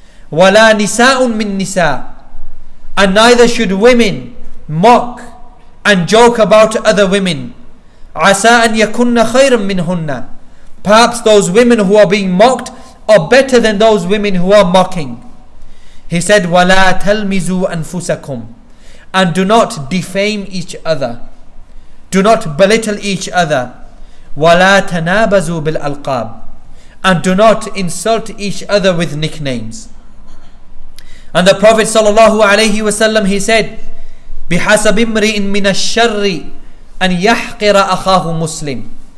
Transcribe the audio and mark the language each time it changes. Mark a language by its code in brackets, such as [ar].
[ar] وَلَا نِسَاءٌ مِّنْ نِسَاءٌ. [en] And neither should women mock and joke about other women. [ar] عَسَىٰ أَنْ يَكُنَّ خَيْرًا مِّنْهُنَّ. [en] Perhaps those women who are being mocked are better than those women who are mocking. He said, [ar] وَلَا تَلْمِزُوا أَنفُسَكُمْ. [en] And do not defame each other. Do not belittle each other. [ar] وَلَا تَنَابَزُوا بِالْأَلْقَابِ. [en] And do not insult each other with nicknames. And the Prophet sallallahu alayhi wasallam, he said, [ar] بِحَسَبِ امْرِئٍ مِّنَ الشَّرِّ أَنْ يَحْقِرَ أَخَاهُ مُسْلِمٍ.